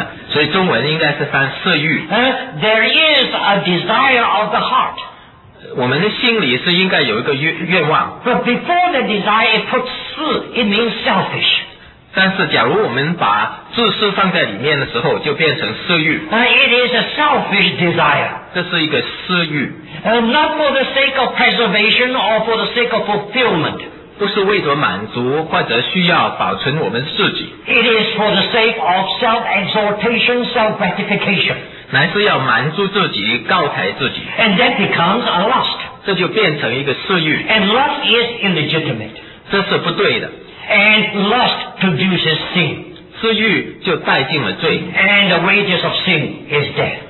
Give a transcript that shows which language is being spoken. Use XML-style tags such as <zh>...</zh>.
<zh>所以中文应该是翻色欲</zh> <en>there is a desire of the heart</en> <zh>我们的心里是应该有一个愿望</zh> <en>but before the desire it puts 私 it means selfish</en> <zh>但是假如我们把自私放在里面的时候就变成色欲</zh> <en>it is a selfish desire</en> <zh>这是一个私欲</zh> <en>not for the sake of preservation or for the sake of fulfillment</en> <zh>不是为了满足或者需要保存我们自己。</zh> <en>It is for the sake of self-exaltation, self-gratification.</en> <zh>乃是要满足自己，告慰自己。</zh> <en>And that becomes a lust.</en> <zh>这就变成一个私欲。</zh> <en>And lust is illegitimate.</en> <zh>这是不对的。</zh> <en>And lust produces sin.</en> <zh>私欲就带进了罪。</zh> <en>And the wages of sin is death.</en>